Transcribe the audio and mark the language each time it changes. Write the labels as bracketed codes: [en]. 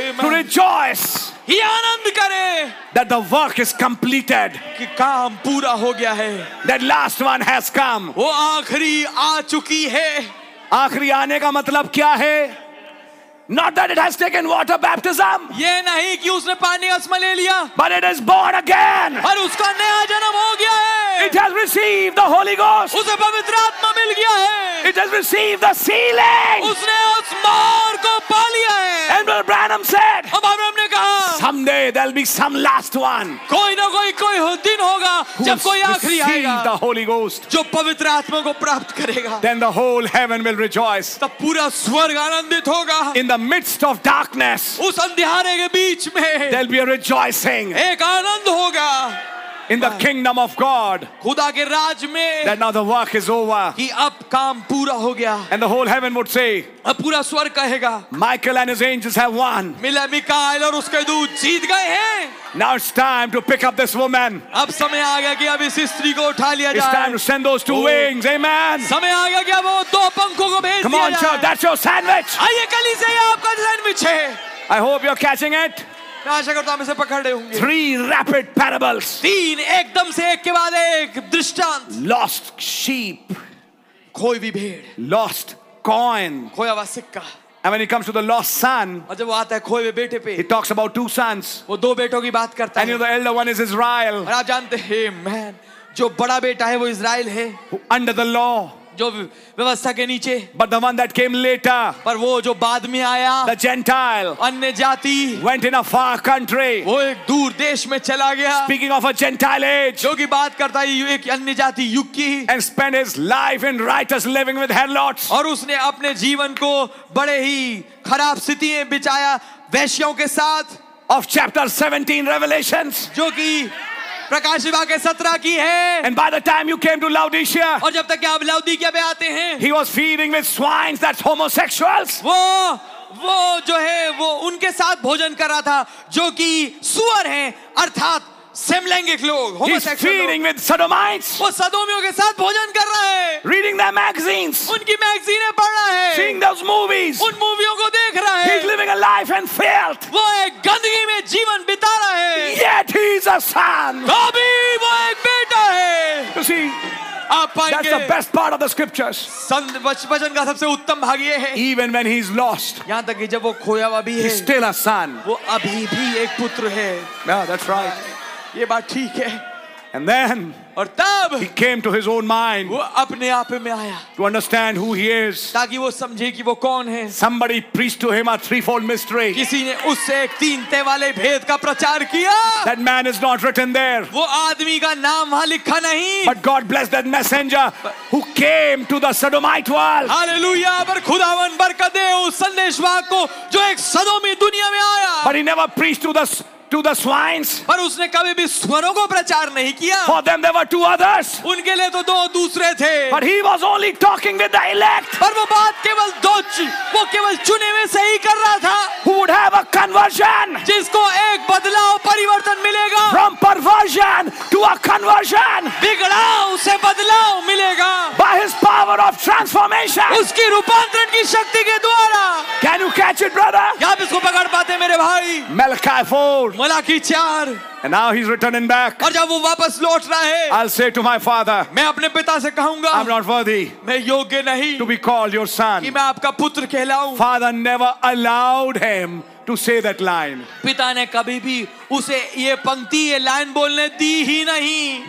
[en] Amen. To rejoice. [hi] ये आनंद करे. [en] That the work is completed. [hi] कि काम पूरा हो गया है. [en] That last one has come. [hi] वो आखरी आ चुकी है. आखरी आने का मतलब क्या है? [en] Not that it has taken water baptism. [hi] ये नहीं कि उसने पानी का स्नान ले लिया. [en] But it is born again. [hi] और उसका नया जन्म हो गया है. [en] It has received the Holy Ghost. [hi] उसे पवित्र आत्मा मिल गया है. [en] It has received the sealing. [hi] उसने उस मार को पा लिया है. [en] And Brother Branham said. [hi] अब अब्राहम ने कहा. [en] Someday there'll be some last one. [hi] कोई ना कोई कोई दिन होगा जब कोई आखिरी आएगा. [en] Who's received the Holy Ghost? [hi] जो पवित्र आत्मा को प्राप्त करेगा. [en] Then the whole heaven will rejoice. [hi] तब पूरा स्वर्ग आनंदित होगा. [en] In the midst of darkness. [hi] उस अंधियारे के बीच में. [en] There'll be a rejoicing. [hi] एक आनंद होगा. [en] in the kingdom of God. [hi] खुदा के राज में. [en] That now the work is over. [hi] कि अब काम पूरा हो गया. [en] And the whole heaven would say. [hi] अब पूरा स्वर्ग कहेगा. [en] Michael and his angels have won. [hi] मिला मिकाएल और उसके दूत जीत गए हैं. [en] Now it's time to pick up this woman. [hi] अब समय आ गया कि अब इस स्त्री को उठा लिया जाए. [en] It's time to send those two wings. Amen. [hi] समय आ गया कि अब वो दो पंखों को भेज दिया जाए. [en] Come on, church. That's your sandwich. [hi] आइए कलीसिया आपका सैंडविच है. [en] I hope you're catching it. Three rapid parables. [hi] तीन एकदम से एक के बाद एक दृष्टांत. [en] Lost sheep. [hi] खोई भी भेड़. [en] Lost coin. [hi] खोया हुआ सिक्का. [en] And when he comes to the lost son, [hi] और जब वो आता है खोए हुए बेटे पे, [en] he talks about two sons. [hi] वो दो बेटों की बात करता है. [en] And you know, the elder one is Israel. [hi] और आप जानते हैं, man, जो बड़ा बेटा है वो इज़राइल है. [en] Under the law. [hi] जो व्यवस्था के नीचे. [en] But the one that came later, [hi] पर वो जो बाद में आया, [en] the Gentile, [hi] अन्य जाति, [en] went in a far country, [hi] वो एक दूर देश में चला गया, [en] speaking of a Gentile age, [hi] जो की बात करता है एक अन्य जाति युग की, [en] and spent his life in righteous living with harlots, [hi] और उसने अपने जीवन को बड़े ही खराब स्थिति में बिताया वैश्यों के साथ, [en] of chapter 17 revelations, [hi] जो की प्रकाश विभाग के 17 की है. [en] And by the time you came to Laodicea, [hi] और जब तक आप लौदीकिया पे आते हैं, [en] he was feeding with swines, that's homosexuals. [hi] वो जो है वो उनके साथ भोजन कर रहा था जो कि सुअर हैं, अर्थात समलैंगिक लोग, homosexuals. [en] He's feeding with sodomites. [hi] वो सदोमियों के साथ भोजन कर रहा है. [en] Reading their magazines. [hi] उनकी मैगजीनें पढ़ रहा है. [en] Seeing those movies. [hi] उन मूवियों को देख रहा है. [en] He's living a life in filth. [hi] वो एक गंदगी में जीवन बिता रहा है. [en] Yet he's a son. [hi] अभी वो एक बेटा है. [en] You see, [hi] आप आएंगे. [en] That's the best part of the scriptures. [hi] वचन का सबसे उत्तम भाग ये है. [en] Even when he's lost. [hi] यहाँ तक कि जब वो खोया हुआ भी है. [en] He's still a son. [hi] वो अभी भी एक पुत्र है. [en] Yeah, that's right. [hi] ये बात ठीक है. [en] And then, [hi] और तब, [en] he came to his own mind. [hi] वो अपने आप में आया. [en] To understand who he is. [hi] ताकि वो समझे कि वो कौन है. [en] Somebody preached to him a threefold mystery. [hi] किसी ने उससे एक तीनते वाले भेद का प्रचार किया. [en] That man is not written there. [hi] वो आदमी का नाम वहाँ लिखा नहीं. [en] But God bless that messenger who came to the Sodomite world. Hallelujah! [hi] पर खुदावन बरकत दे उस संदेशवाहक को जो एक सदोमी दुनिया में आया. [en] But he never preached to the swines. [hi] पर उसने कभी भी स्वरों को प्रचार नहीं किया. [en] For them there were two others. [hi] उनके लिए तो दो दूसरे थे. [en] But he was only talking with the elect. [hi] पर वो बात केवल वो केवल चुने हुए से ही कर रहा था. [en] Who would have a conversion? [hi] जिसको एक बदलाव परिवर्तन मिलेगा. [en] From perversion to a conversion. [hi] बिगड़ाव से बदलाव मिलेगा. [en] By his power of transformation. [hi] उसकी रूपांतरण की शक्ति के द्वारा. [en] Can you catch it, brother? [hi] क्या आप इसको पकड़ पाते मेरे भाई? [en] Malachi 4. [hi] मलाकी चार. [en] And now he's returning back. [hi] और जब वो वापस लौट रहा है, [en] I'll say to my father, [hi] मैं अपने पिता से कहूंगा, [en] I'm not worthy, [hi] मैं योग्य नहीं, [en] to be called your son, [hi] कि मैं आपका पुत्र कहलाऊं. [en] Father never allowed him to say that line. [hi] पिता ने कभी भी उसे ये पंक्ति, ये लाइन बोलने दी ही नहीं.